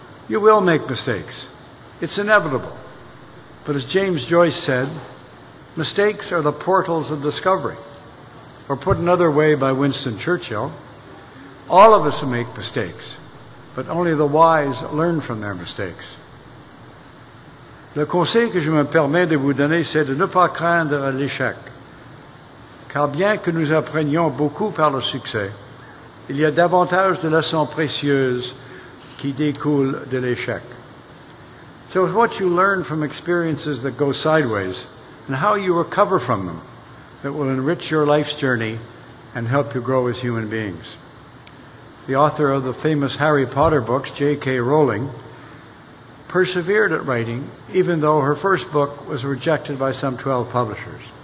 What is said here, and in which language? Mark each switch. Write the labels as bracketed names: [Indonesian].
[English] You will make mistakes. It's inevitable. But as James Joyce said, mistakes are the portals of discovery. Or put another way by Winston Churchill, all of us make mistakes, but only the wise learn from their mistakes. [French] Le conseil que je me permets de vous donner, c'est de ne pas craindre l'échec. Car bien que nous apprenions beaucoup par le succès, il y a davantage de leçons précieuses qui découlent de l'échec. [English] So what you learn from experiences that go sideways and how you recover from them that will enrich your life's journey and help you grow as human beings. The author of the famous Harry Potter books, J.K. Rowling, persevered at writing even though her first book was rejected by some 12 publishers.